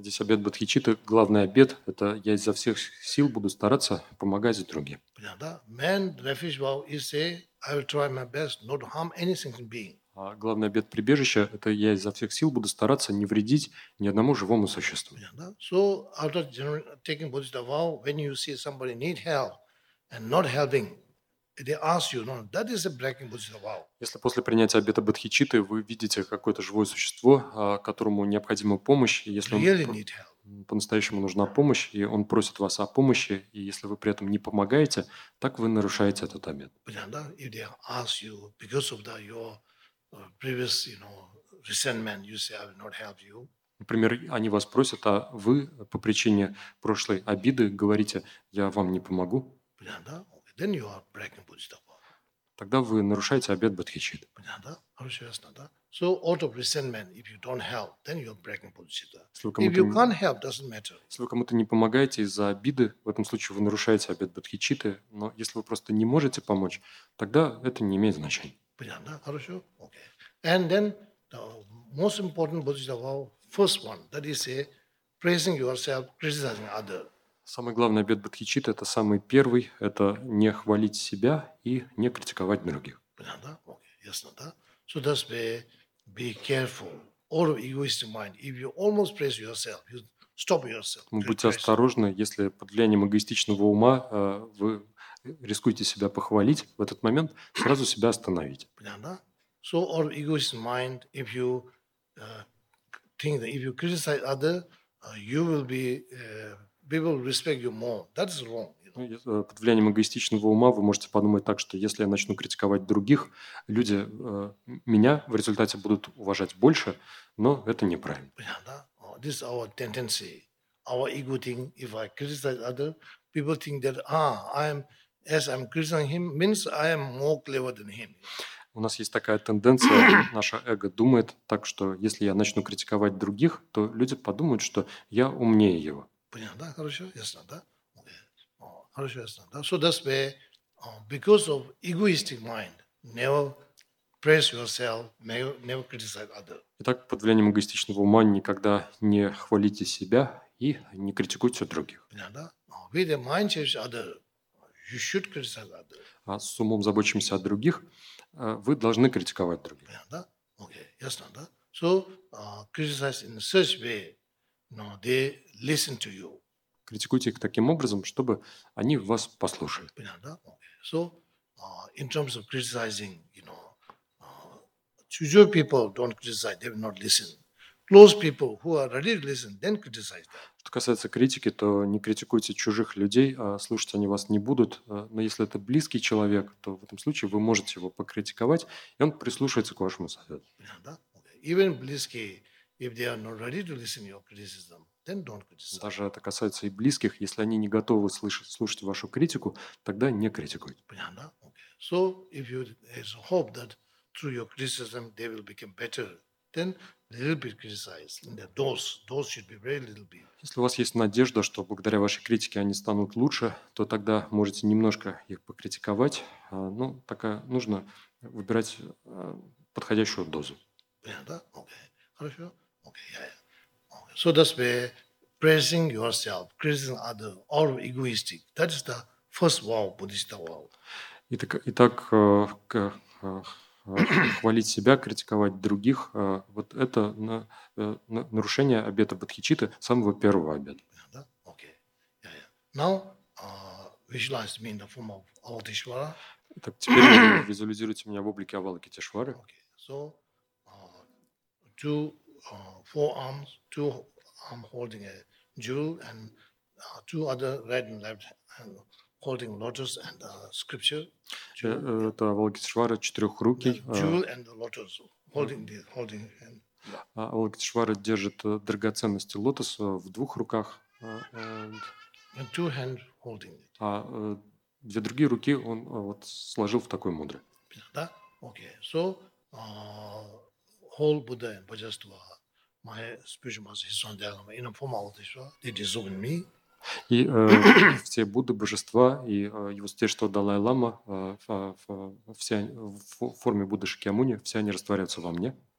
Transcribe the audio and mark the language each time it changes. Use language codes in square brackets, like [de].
[ru] Здесь обет бодхичитты, главный обет, это я изо всех сил буду стараться помогать другим. [en] Man refuge vow is a I will try my best not to harm any sentient being. [ru] А главный обет прибежища, это я изо всех сил буду стараться не вредить ни одному живому существу. [en] So after taking bodhisattva vow, when you see somebody need help and not helping, they ask you, no, that is a breaking bodhisattva vow. [ru] Если после принятия обета бодхичитты вы видите какое-то живое существо, которому необходима помощь, если [en] really [ru] он по-настоящему нужна помощь, и он просит вас о помощи, и если вы при этом не помогаете, так вы нарушаете этот обет. [en] If they ask you because of that your previous, you know, resentment, you say I will not help you. [ru] Например, они вас просят, а вы по причине прошлой обиды говорите, я вам не помогу. [en] Then you are breaking Buddhist vow. [ru] Тогда вы нарушаете обет бодхичитты. Понятно? Хорошо, ясно, да? [en] So out of resentment, if you don't help, then you are breaking Buddhista. If you can't help, doesn't matter. [ru] Если вы кому-то не помогаете из-за обиды, в этом случае вы нарушаете обет бодхичитты. Но если вы просто не можете помочь, тогда это не имеет значения. Понятно? Хорошо? Okay. [en] And then the most important Buddhist vow, first one, that is a praising yourself, criticizing other. [ru] Самый главный обет бодхичитты – это самый первый, это не хвалить себя и не критиковать других. Понятно? [en] Okay. [ru] Ясно, да? [en] So that's be careful. All of egoistic mind. If you almost praise yourself, you stop yourself. [ru] Будьте осторожны, если под влиянием эгоистичного ума вы рискуете себя похвалить в этот момент, сразу себя остановить. Понятно? [en] So all of egoistic mind, if you think that if you criticize other, you will be people respect you more. That is wrong. [ru] Под влиянием эгоистичного ума вы можете подумать так, что если я начну критиковать других, люди меня в результате будут уважать больше, но это неправильно. Понятно? [en] This is our tendency, our ego thing. If I criticize other, people think that I'm criticizing him means I am more clever than him. [ru] У нас есть такая тенденция, наше эго думает так, что если я начну критиковать других, то люди подумают, что я умнее его. Понятно, да? Хорошо, ясно, да? Okay. Хорошо, ясно, да? [en] So that's why, because of egoistic mind, never praise yourself, never criticize other. [ru] Итак, под влиянием эгоистичного ума никогда не хвалите себя и не критикуйте других. Понятно, да? [en] With the mind change other, you should criticize other. [ru] А с умом заботимся о других, вы должны критиковать других. Понятно, да? Okay. Ясно, да? [en] So, criticize in such way, no, they listen to you. [ru] Критикуйте их таким образом, чтобы они вас послушали. Понятно, да? Okay. [en] So, in terms of criticizing, you know, chujo people don't criticize, they will not listen. Close people who are ready to listen, then criticize them. [ru] Что касается критики, то не критикуйте чужих людей, а слушать они вас не будут. Но если это близкий человек, то в этом случае вы можете его покритиковать, и он прислушается к вашему совету. Понятно, да? Okay. [en] Even [ru] близкие, [en] if they are not ready to listen to your criticism, then don't criticize. [ru] Даже это касается и близких, если они не готовы слушать вашу критику, тогда не критикуйте. Понятно? Okay. [en] So if you have hope that through your criticism they will become better, then little bit criticize. And the dose should be very little bit. [ru] Если у вас есть надежда, что благодаря вашей критике они станут лучше, то тогда можете немножко их покритиковать. Ну, такая нужно выбирать подходящую дозу. Понятно? [en] Okay. [ru] Хорошо? [en] Okay, yeah. Okay. So that's where praising yourself, criticizing other, all egoistic. That is the first vow, Buddhist vow. [ru] Итак, хвалить себя, критиковать других, вот это нарушение обета бодхичитты, самого первого обета. [en] Yeah, okay. Yeah, yeah. Now, visualize me in the form of Avalokiteshvara. [ru] Так, теперь визуализируйте меня в облике Авалокитешвары. [en] Okay. So, two arms holding a jewel and two other red and left hand, holding lotus and scripture. [ru] Это Авалокитешвара четырехрукий. [en] Jewel and the lotus holding the holding hand. [ru] Авалокитешвара держит драгоценности лотоса в двух руках. [en] And two hand holding it. [ru] А две другие руки он вот сложил в такой мудре. Да? Okay. [en] So whole Buddha and Bodhisattva, my spiritual master, his son Dalai, in a form of this, they dissolve in me. [ru] И все Будды, Божества и его святейшество Далай-Лама в форме Будды Шакьямуни, все они растворяются во мне.